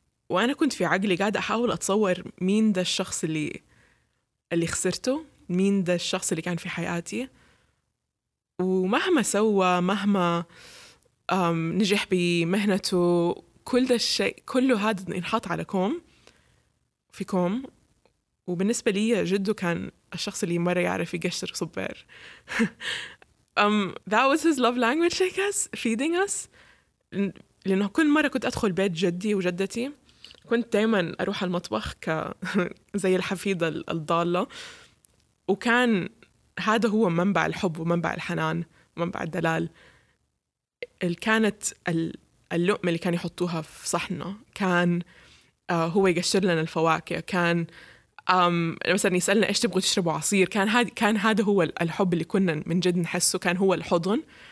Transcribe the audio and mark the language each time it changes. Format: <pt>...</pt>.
<ar>وأنا كنت في عقلي قاعدة أحاول أتصور مين ده الشخص اللي خسرته، مين ده الشخص اللي كان في حياتي، ومهما سوى مهما نجح بمهنته كل ده الشيء كله هذا انحط على كوم في كوم. وبالنسبة لي جده كان الشخص اللي مرة يعرف يقشر صبير.</ar> <en>that was his love language I guess feeding us.</en> <ar>لأنه كل مرة كنت أدخل بيت جدي وجدتي كنت دائما أروح المطبخ زي الحفيدة الضالة، وكان هذا هو منبع الحب ومنبع الحنان ومنبع الدلال. كانت اللقمة اللي كان يحطوها في صحنة، كان هو يقشر لنا الفواكه، كان مثلا يسألنا إيش تبغوا تشربوا عصير، كان هذا هو الحب اللي كنا من جد نحسه، كان هو الحضن.</ar>